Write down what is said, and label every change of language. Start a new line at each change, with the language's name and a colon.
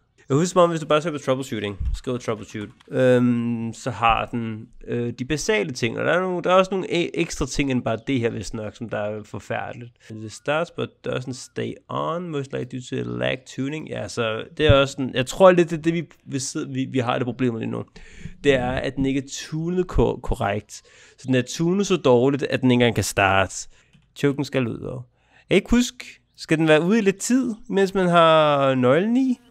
Danish: Jeg husker som om, hvis du bare søger på troubleshooting, skriver troubleshoot, så har den de basale ting. Og der er også nogle ekstra ting end bare det her, hvis nok, som der er forfærdeligt.
English: The starts, but doesn't stay on, most likely due to lag tuning.
Danish: Ja, så det er også sådan, jeg tror lidt, det er det, vi har det problemet lige nu. Det er, at den ikke er tunet korrekt. Så den er tunet så dårligt, at den ikke engang kan starte. Choken skal ud over. Jeg kan ikke huske, skal den være ude i lidt tid, mens man har nøglen i?